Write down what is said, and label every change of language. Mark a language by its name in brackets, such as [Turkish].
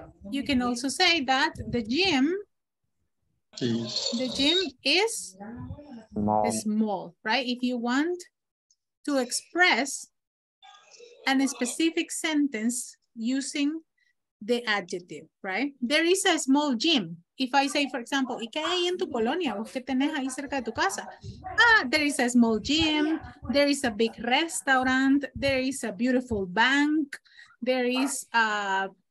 [English] You can also say that the gym is small, right? If you want to express a specific sentence using the adjective, right? There is a small gym. If I say, for example, [Spanish] ¿y qué hay en tu colonia? ¿Vos qué tenés ahí cerca de tu casa? [English] Ah, there is a small gym. There is a big restaurant. There is a beautiful bank. There is a